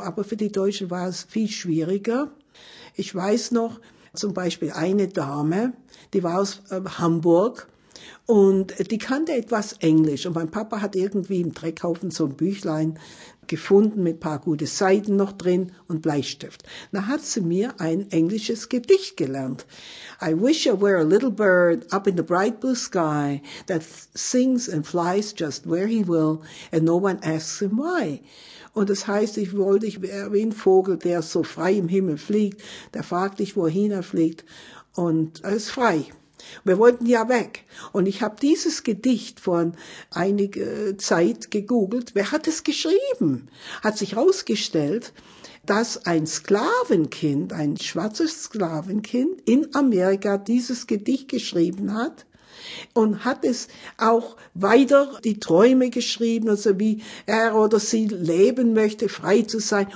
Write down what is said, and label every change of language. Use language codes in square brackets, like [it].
[de] Aber für die Deutschen war es viel schwieriger. Ich weiß noch, zum Beispiel eine Dame, die war aus Hamburg, und die kannte etwas Englisch und mein Papa hat irgendwie im Dreckhaufen so ein Büchlein gefunden mit ein paar gute Seiten noch drin und Bleistift. Da hat sie mir ein englisches Gedicht gelernt. [en] I wish I were a little bird up in the bright blue sky that sings and flies just where he will and no one asks him why. [de] Und das heißt, ich wäre wie ein Vogel, der so frei im Himmel fliegt, der fragt dich, wohin er fliegt und er ist frei. Wir wollten ja weg. Und ich habe dieses Gedicht vor einiger Zeit gegoogelt. Wer hat es geschrieben? Hat sich herausgestellt, dass ein Sklavenkind, ein schwarzes Sklavenkind in Amerika dieses Gedicht geschrieben hat und hat es auch weiter die Träume geschrieben, also wie er oder sie leben möchte, frei zu sein.